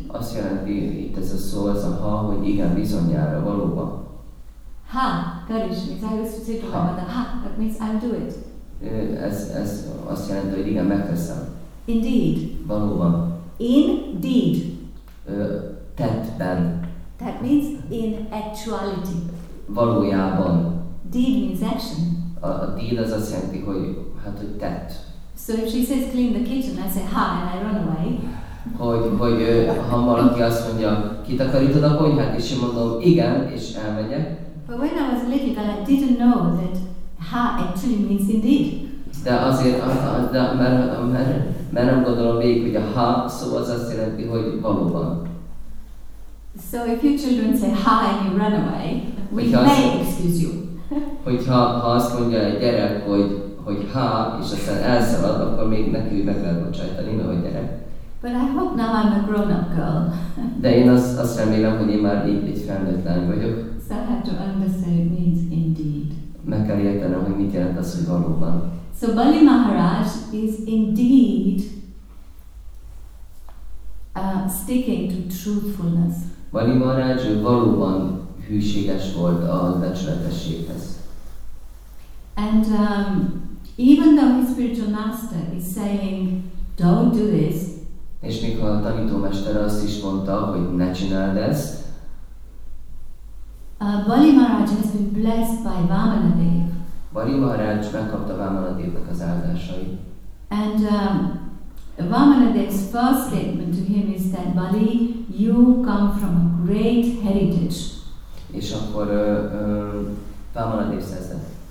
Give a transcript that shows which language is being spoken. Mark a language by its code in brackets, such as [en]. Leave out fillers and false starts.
[hu] Azt jelenti, itt ez a szó, ez a ha, hogy igen, bizonyára, valóban. [en] Ha, Karish, it's I used to say to my mother, ha, that means I'll do it. [hu] Ez azt jelenti, hogy igen, megteszem. [en] Indeed. [hu] Valóban. [en] Indeed. [hu] Tettben. [en] That means in actuality. [hu] Valójában. [en] Deed means action. [hu] A deed az azt jelenti, hogy tett. [en] So if she says clean the kitchen, I say ha and I run away. [hu] Hogy ha valaki azt mondja, kitakarítod a konyhát, és én mondom, igen, és elmegyek. [en] But when I was little, I didn't know that ha actually means indeed. [hu] De mert nem gondolom végig, hogy a ha szó az azt jelenti, hogy valóban. [en] So if your children say ha and you run away, we may excuse you. [hu] Hogyha azt mondja egy gyerek, hogy ha, és aztán elszalad, akkor még neki meg kell bocsájtani, mert hogy gyerek. [en] But I hope now I'm a grown-up girl. [hu] De én azt remélem, hogy én már egy felnőtt lány vagyok. [en] So I have to understand it means indeed. [hu] Meg kell értenem, hogy mit jelent az, hogy valóban. [en] So Bali Maharaj is indeed sticking to truthfulness. [hu] Bali Maharaj valóban hűséges volt a becsületességhez. [en] And even though his spiritual master is saying, don't do this. [hu] És még a tanítómester azt is mondta, hogy ne csináld ezt. [en] Bali Maharaj has been blessed by Vamanadev. [hu] Bali Maharaj megkapta Vamanadevnek az áldásai. [en] And Vamanadev's first statement to him is that Bali, you come from a great heritage. [hu] És akkor Vamanadev szerzett.